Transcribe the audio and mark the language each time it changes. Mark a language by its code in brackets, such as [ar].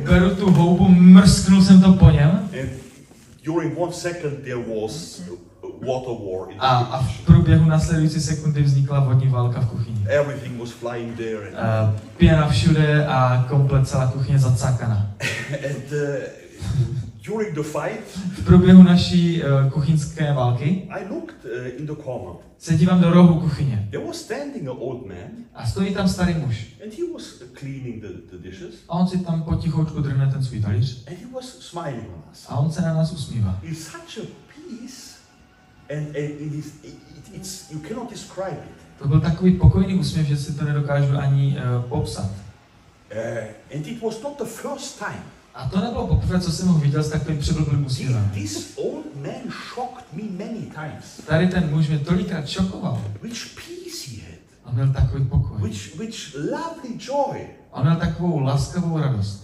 [cs] Beru tu houbu, mrsknul jsem to po něm. [en] During 1 second there was water war in the kitchen. [cs] A v průběhu následující sekundy vznikla vodní válka v kuchyni. [en] Everything was flying there. [cs] Pěna všude a komplet celá kuchyně zacákaná. [en] And during the fight, [cs] v průběhu naší kuchyňské války, [en] I looked in the corner. [cs] Se dívám do rohu kuchyně. [en] There was standing an old man. [cs] A stojí tam starý muž. [en] And he was cleaning the dishes. [cs] A on si tam potichoučku drhne ten svůj talíř. [en] And he was smiling on us. [cs] A on se na nás usmívá. [en] It's such a peace, and it is, it's you cannot describe it. [cs] To byl takový pokojný úsměv, že si to nedokážu ani popsat. [en] And it was not the first time. [cs] A to nebylo poprvé, co jsem ho viděl s takovým přeblblým úsměvem. [en] This old man shocked me many times. [cs] Tady ten muž mě tolikrát šokoval. [en] Which peace he had. [cs] A měl takový pokoj. [en] Which lovely joy. [cs] A měl takovou laskavou radost.